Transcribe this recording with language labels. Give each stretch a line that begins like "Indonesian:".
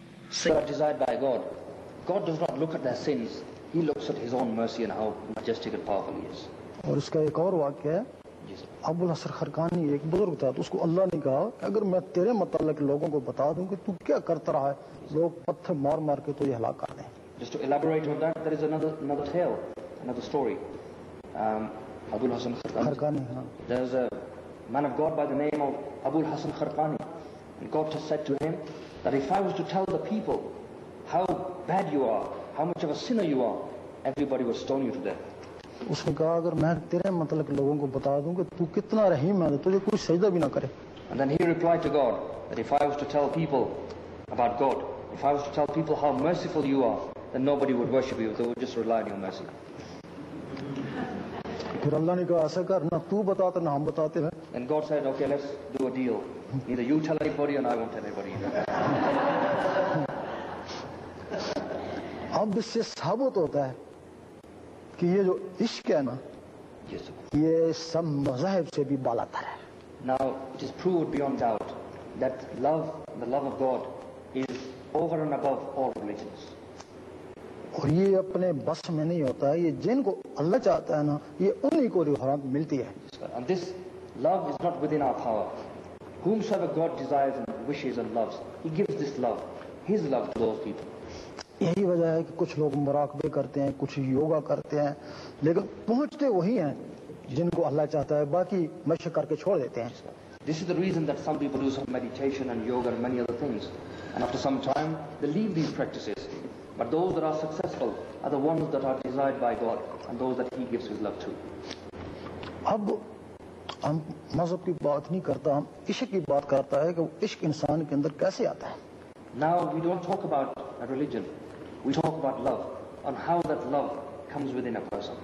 English: Sin are desired by God. God does not look at their sins. He looks at His own mercy and how majestic and powerful He is.
Urdu: اور اس کا ایک اور واقعہ ہے ابو الحسن خرقانی ایک بزرگ تھا تو اس کو اللہ نے کہا کہ اگر میں تیرے متعلق لوگوں کو بتا دوں کہ تو کیا کرتا رہا ہے لوگ پتھر مار مار کے تجھے ہلاک کر دیں.
English: Just to elaborate on that, there is another tale, another story. Abul Hasan Kharkani. There's a man of God by the name of Abul Hasan Kharkani. And God has said to him that if I was to tell the people how bad you are, how much of a sinner you are, everybody would stone you to death.
Urdu: اس نے کہا اگر میں تیرے مطلق لوگوں کو بتا دوں کہ تو کتنا رحیم ہے تجھے کوئی سجدہ بھی نہ کرے.
English: And then he replied to God that if I was to tell people about God, if I was to tell people how merciful you are, then nobody would worship you, they would just rely on your mercy.
Urdu: پھر اللہ نے کہا ایسا کر نہ تو بتاتے نہ ہم بتاتے ہیں.
English: And God said, okay, let's do a deal. Neither you tell anybody and I won't tell anybody either.
Urdu: اب اس سے ثابت ہوتا ہے کہ یہ جو عشق ہے نا یہ سب مذاہب سے بھی بالا تر ہے.
English: Now it is proved beyond doubt that love, the love of God, is over and above all religions.
Urdu: اور یہ اپنے بس میں نہیں ہوتا ہے, یہ جن کو اللہ چاہتا ہے نا یہ انہی کو حرام ملتی ہے.
English: And this love is not within our power. Whomsoever God desires and wishes and loves, He gives this love, His love to those people.
Urdu: یہی وجہ ہے کہ کچھ لوگ مراقبے کرتے ہیں, کچھ یوگا کرتے ہیں, لیکن پہنچتے وہی ہیں جن کو اللہ چاہتا ہے, باقی مشق کر کے چھوڑ دیتے ہیں.
English: This is the reason that some people do some meditation and yoga and many other things, and after some time they leave these practices. But those that are successful are the ones that are desired by God and those that He gives His love to.
Urdu: اب ہم مذہب کی بات نہیں کرتا, ہم عشق کی بات کرتا ہے کہ وہ عشق انسان کے اندر کیسے آتا ہے.
English: Now we don't talk about a religion, we talk about love, on how that love comes within a person.